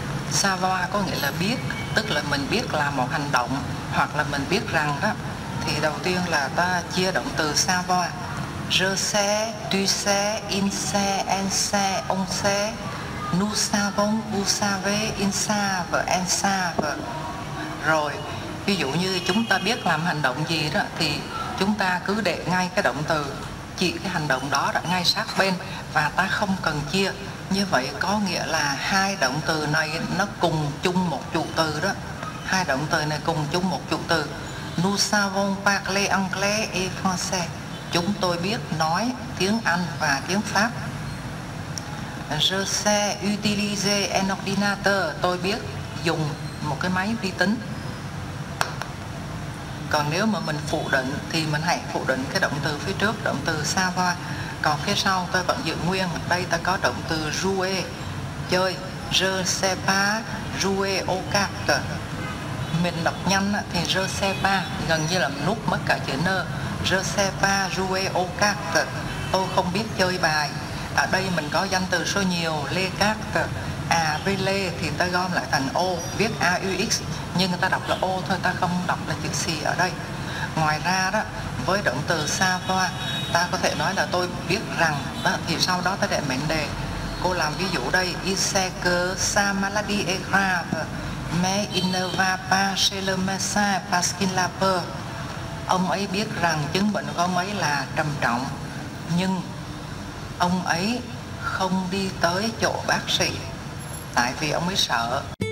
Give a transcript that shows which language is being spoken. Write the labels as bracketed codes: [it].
[vi] Savoir có nghĩa là biết, tức là mình biết làm một hành động hoặc là mình biết rằng đó. Thì đầu tiên là ta chia động từ savoir. [fr] Je sais, tu sais, il sait, elle sait, on sait, nous savons, vous savez, ils savent, elles savent. [vi] Rồi, ví dụ như chúng ta biết làm hành động gì đó thì chúng ta cứ để ngay cái động từ chỉ cái hành động đó ngay sát bên và ta không cần chia. Như vậy có nghĩa là hai động từ này nó cùng chung một chủ từ đó. Hai động từ này cùng chung một chủ từ. [fr] Nous savons parler anglais et français. [vi] Chúng tôi biết nói tiếng Anh và tiếng Pháp. [fr] Je sais utiliser un ordinateur. [vi] Tôi biết dùng một cái máy vi tính. Còn nếu mà mình phủ định thì mình hãy phủ định cái động từ phía trước, động từ savoir. Còn phía sau tôi vẫn giữ nguyên. Đây ta có động từ jouer, chơi. [fr] Je sais pas jouer au cartes. [vi] Mình đọc nhanh thì [fr] je sais pas, [vi] gần như là nút mất cả chữ nơ. [fr] Je sais pas jouer au cartes. [vi] Tôi không biết chơi bài. Ở đây mình có danh từ số nhiều, [fr] les cartes. [vi] À với lê thì ta gom lại thành ô, viết A-U-X. Nhưng ta đọc là ô thôi, ta không đọc là chữ xì ở đây. Ngoài ra đó, với động từ savoir, ta có thể nói là tôi biết rằng đó, thì sau đó ta để mệnh đề. Cô làm ví dụ đây, [fr] il sait que sa maladie est grave, mais il ne va pas chez le médecin parce qu'il a peur. [vi] Ông ấy biết rằng chứng bệnh của ông ấy là trầm trọng, nhưng ông ấy không đi tới chỗ bác sĩ tại vì ông ấy sợ.